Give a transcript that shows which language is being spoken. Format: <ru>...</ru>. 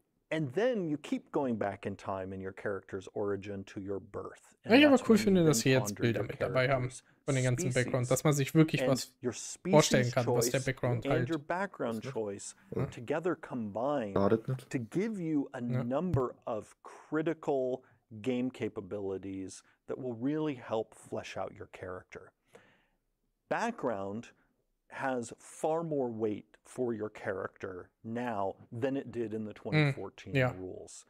<en>And then you keep going back in time in your character's origin to your birth.</en> <de>Ich aber cool finde, dass sie jetzt Bilder mit dabei haben von den ganzen Backgrounds, dass man sich wirklich was vorstellen kann, was der Background halt.</de> <en>And your background choice together combined to give you a number of critical game capabilities that will really help flesh out your character. Background has far more weight for your character now than it did in the 2014 rules.</en>